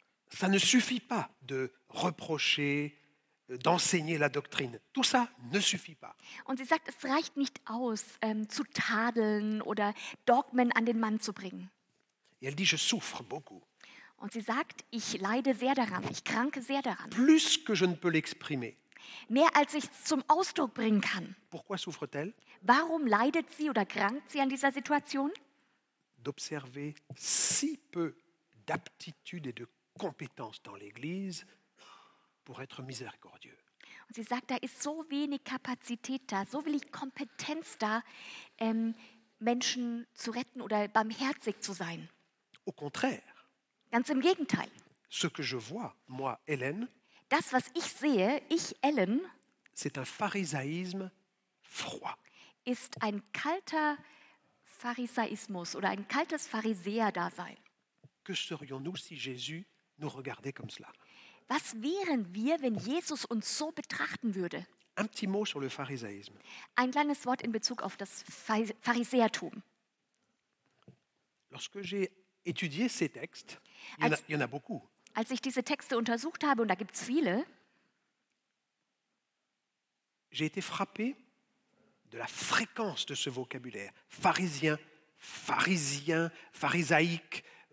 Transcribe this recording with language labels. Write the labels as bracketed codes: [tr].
[fr] Ça ne suffit pas de reprocher, d'enseigner la doctrine. Tout ça ne suffit pas. [de] Und sie sagt, es reicht nicht aus, zu tadeln oder Dogmen an den Mann zu bringen. [fr] Et elle dit, je souffre beaucoup. [de] Und sie sagt, ich leide sehr daran, ich kranke sehr daran. [fr] Plus que je ne peux l'exprimer. [de] Mehr als ich zum Ausdruck bringen kann. [fr] Pourquoi souffre-t-elle? [de] Warum leidet sie oder krankt sie an dieser Situation? [fr] D'observer si peu d'aptitude et de compétence dans l'Église. Pour être miséricordieux. [de] Und sie sagt, da ist so wenig Kapazität da, so wenig Kompetenz da, Menschen zu retten oder barmherzig zu sein. [fr] Au contraire. [de] Ganz im Gegenteil. [fr] Ce que je vois, moi, Hélène, [de] das, was ich sehe, ich, Ellen, [fr] c'est un pharisaïsme froid. [de] Ist ein kalter Pharisaismus oder ein kaltes Pharisäer-Dasein. [fr] Que serions-nous si Jésus nous regardait comme cela? [de] Was wären wir, wenn Jesus uns so betrachten würde? [fr] Un petit mot sur le pharisaïsme. [de] Ein kleines Wort in Bezug auf das Pharisäertum. [fr] Lorsque j'ai étudié ces textes, il y en a beaucoup. [de] Als ich diese Texte untersucht habe, und da gibt es viele, [fr] j'ai été frappé de la fréquence de ce vocabulaire. Pharisien, pharisaïque.